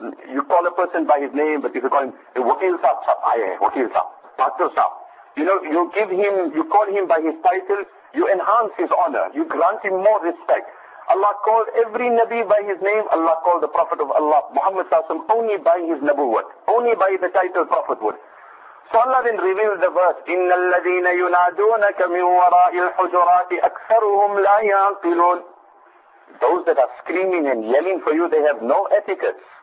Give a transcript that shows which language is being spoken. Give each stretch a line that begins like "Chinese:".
English: You call a person by his name, but if you call him, Wakil Sahab, Wakil Sahab, Pastor Sahab. You know, you give him, you call him by his title, you enhance his honor, you grant him more respect. Allah called every Nabi by his name. Allah called the Prophet of Allah, Muhammad Sallallahu Alaihi Wasallam, only by his Nabuwat, only by the title Prophethood. So Allah then revealed the verse,
Arabic: إِنَّ الَّذِينَ يُنَادُونَكَ مِنْ وَرَاءِ الْحُجُرَاتِ أَكْثَرُهُمْ لَا يَعْقِلُونَ.
English: Those that are screaming and yelling for you, they have no etiquette.